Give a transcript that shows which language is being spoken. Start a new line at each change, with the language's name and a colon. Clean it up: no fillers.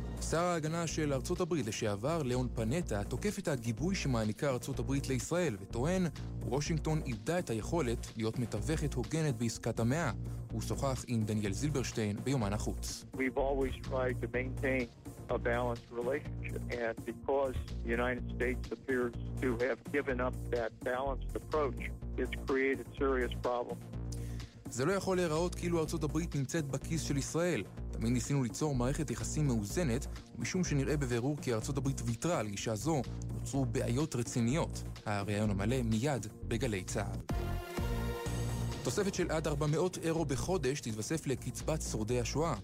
Hebrew: שר ההגנה של ארצות הברית לשעבר, ליאון פנטה, תוקף את הגיבוי שמעניקה ארצות הברית לישראל, וטוען, וושינגטון איבדה את היכולת להיות מתווכת הוגנת בעסקת המאה. הוא שוחח עם דניאל זילברשטיין ביומן החוץ.
English: We've always tried to maintain a balanced relationship, and because the United States appears to have given up that balanced approach, it's created serious problems.
Hebrew: זה לא יכול להיראות כאילו ארצות הברית נמצאת בכיס של ישראל. תמיד ניסינו ליצור מערכת יחסים מאוזנת, ומשום שנראה בבירור כי ארצות הברית ויתרה על גישה זו, נוצרו בעיות רציניות. הרעיון המלא מיד בגלי צהל. תוספת של עד 400 אירו בחודש תתווסף לקצבת שורדי השואה.